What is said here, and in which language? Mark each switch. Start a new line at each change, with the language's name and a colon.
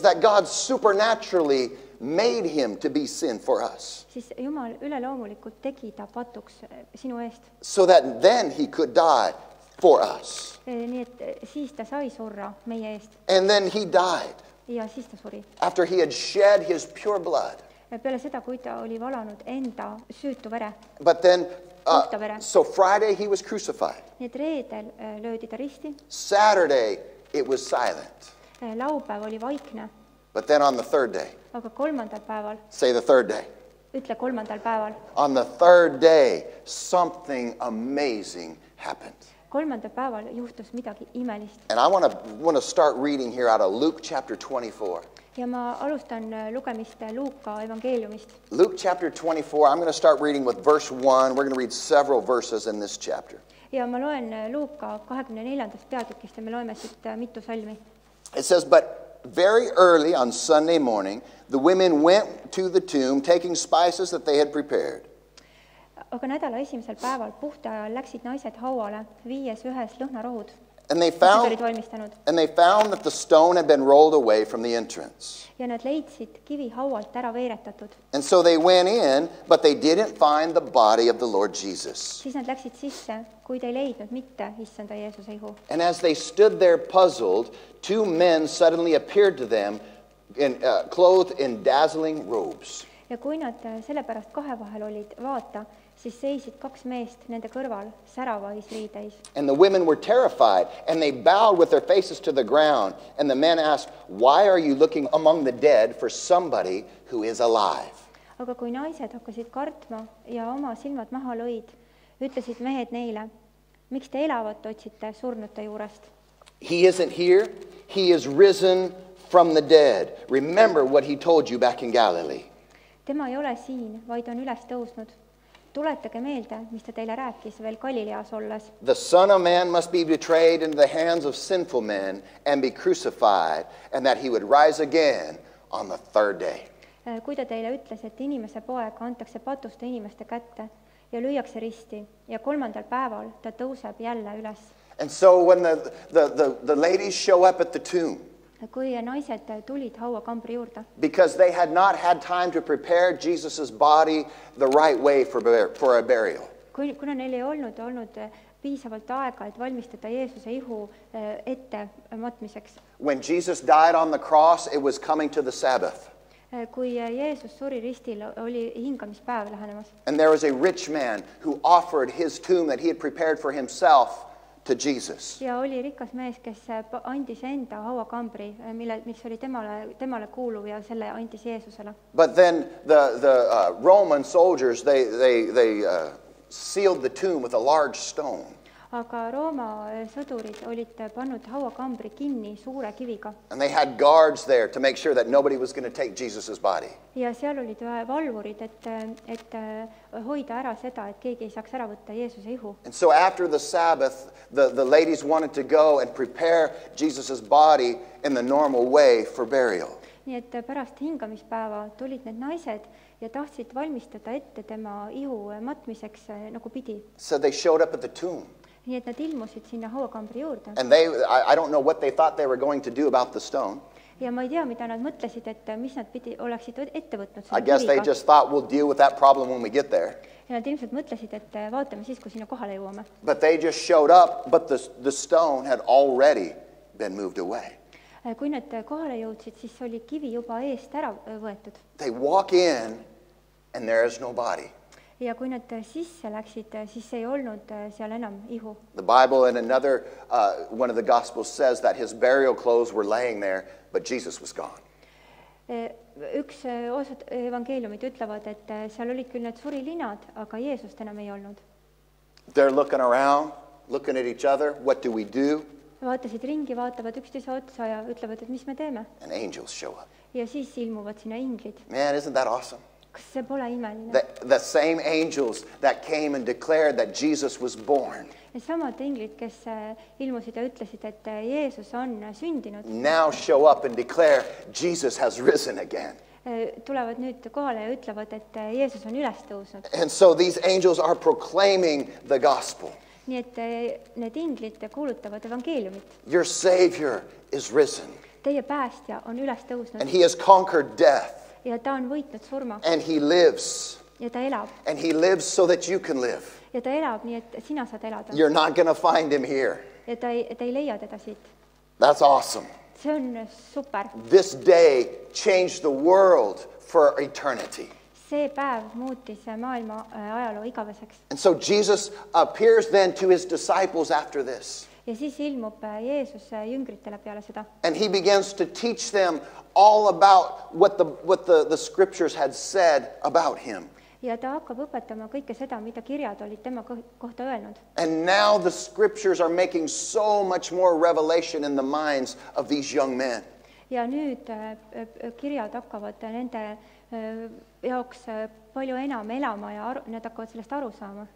English: that God supernaturally made him to be sin for us. So that then he could die for us. And then he died. After he had shed his pure blood.
Estonian: Peale seda, kui ta oli valanud enda süütu vere.
English: But then, so Friday he was crucified.
Estonian: Need reedel löödi ta risti.
English: Saturday it was silent.
Estonian: Laupäev oli vaikne.
English: But then on the third day.
Estonian: Aga kolmandal päeval.
English: Say the third day.
Estonian: Ütle kolmandal päeval.
English: On the third day, something amazing happened.
Estonian: Kolmandal päeval juhtus midagi imelist.
English: And I want to start reading here out of Luke chapter 24.
Estonian: Ja ma alustan lugemist Luuka evangeeliumist.
English: Luke chapter 24, I'm going to start reading with verse 1. We're going to read several verses in this chapter.
Estonian: Ja ma loen Luuka 24. Peatükist ja me loeme siit mitu salmi.
English: It says, but very early on Sunday morning, the women went to the tomb taking spices that they had prepared.
Estonian: Aga nädala esimesel päeval puhta ajal läksid naised hauale viies ühes lõhnarohud.
English: And they found that the stone had been rolled away from the entrance.
Estonian: Ja nad leidsid kivi haualt ära veeretatud.
English: And so they went in, but they didn't find the body of the Lord Jesus.
Estonian: Siis nad läksid sisse, kuid ei leidnud mitte issanda Jeesuse ihu.
English: And as they stood there puzzled, two men suddenly appeared to them in, clothed in dazzling robes.
Estonian: Ja kui nad sellepärast kahevahel olid vaata, siis seisid kaks meest nende kõrval säravais riideis.
English: And the women were terrified, and they bowed with their faces to the ground. And the men asked, why are you looking among the dead for somebody who is alive?
Estonian: Aga kui naised hakkasid kartma ja oma silmad maha lõid, ütlesid mehed neile, miks te elavat otsite surnute juurest?
English: He isn't here, he is risen from the dead. Remember what he told you back in Galilee.
Estonian: Tema ei ole siin, vaid on üles tõusnud. Tuletage meelde, mis ta teile rääkis veel Galileas olles.
English: The Son of Man must be betrayed into the hands of sinful men and be crucified, and that he would rise again on the third day.
Estonian: Kui ta teile ütles, et inimese poeg antakse patuste inimeste kätte ja lüüakse risti, ja kolmandal päeval ta tõuseb jälle üles.
English: And so when the ladies show up at the tomb,
Estonian: kui naised tulid haua kambri juurde.
English: Because they had not had time to prepare Jesus' body the right way for a burial.
Estonian: Kuna neil ei olnud piisavalt aega, et valmistada Jeesuse ihu ette matmiseks.
English: When Jesus died on the cross, it was coming to the Sabbath.
Estonian: Kui Jeesus suri ristil, oli hingamispäev lähenemas.
English: And there was a rich man who offered his tomb that he had prepared for himself to Jesus.
Estonian: Ja oli rikas mees, kes andis enda haua kambri, mis oli temale kuuluv ja selle andis Jeesusele.
English: But then the Roman soldiers they sealed the tomb with a large stone.
Estonian: Aga Rooma sõdurid olid pannud haua kambri kinni suure kiviga.
English: And they had guards there to make sure that nobody was going to take Jesus's body.
Estonian: Ja seal olid valvurid, et hoida ära seda, et keegi ei saaks ära võtta Jeesuse ihu.
English: And so after the Sabbath, the ladies wanted to go and prepare Jesus's body in the normal way for burial.
Estonian: Nii et pärast hingamispäeva tulid need naised ja tahtsid valmistada ette tema ihu matmiseks nagu pidi.
English: So they showed up at the tomb.
Estonian: Nii et nad ilmusid sinna hauakambri juurde.
English: And they, I don't know what they thought they were going to do about the stone.
Estonian: Ja ma ei tea, mida nad mõtlesid, et mis nad pidi oleksid ette võtnud.
English: I guess they just thought we'll deal with that problem when we get there.
Estonian: Ja nad ilmselt mõtlesid, et vaatame siis, kui sinna kohale jõuame.
English: But they just showed up, but the stone had already been moved away.
Estonian: Kui nad kohale jõudsid, siis oli kivi juba eest ära võetud.
English: They walk in and there is no body.
Estonian: Ja kui nad sisse läksid, siis ei olnud seal enam ihu.
English: The Bible in another one of the Gospels says that his burial clothes were laying there, but Jesus was gone.
Estonian: Üks osad evangeeliumid ütlevad, et seal olid küll need suri linad, aga Jeesust enam ei olnud.
English: They're looking around, looking at each other, what do we do?
Estonian: Vaatasid ringi, vaatavad üksteise otsa ja ütlevad, et mis me teeme.
English: And angels show up.
Estonian: Ja siis ilmuvad sinna inglid.
English: Man, isn't that awesome?
Estonian: See pole imeline.
English: The same angels that came and declared that Jesus was born.
Estonian: Ja samad inglid, kes ilmusid ja ütlesid, et Jeesus on sündinud.
English: Now show up and declare Jesus has risen again.
Estonian: Tulevad nüüd kohale ja ütlevad, et Jeesus on üles tõusnud.
English: And so these angels are proclaiming the gospel.
Estonian: Nii et need inglid kuulutavad evangeeliumit.
English: Your savior is risen.
Estonian: Teie päästja on üles tõusnud.
English: And he has conquered death.
Estonian: Ja ta on võitnud surma.
English: And he lives.
Estonian: Ja ta elab.
English: And he lives so that you can live.
Estonian: Ja ta elab, nii et sina saad elada.
English: You're not going to find him here.
Estonian: Ja ta ei leia teda siit.
English: That's awesome.
Estonian: See on super.
English: This day changed the world for eternity.
Estonian: See päev muutis maailma ajaloo igaveseks.
English: And so Jesus appears then to his disciples after this.
Estonian: Ja siis ilmub Jeesus jüngritele peale seda.
English: And he begins to teach them all about what the scriptures had said about him.
Estonian: Ja ta hakkab õpetama kõike seda, mida kirjad olid tema kohta öelnud.
English: And now the scriptures are making so much more revelation in the minds of these young men.
Estonian: Ja nüüd kirjad hakkavad nende jaoks palju enam elama ja nad hakkavad sellest aru saama.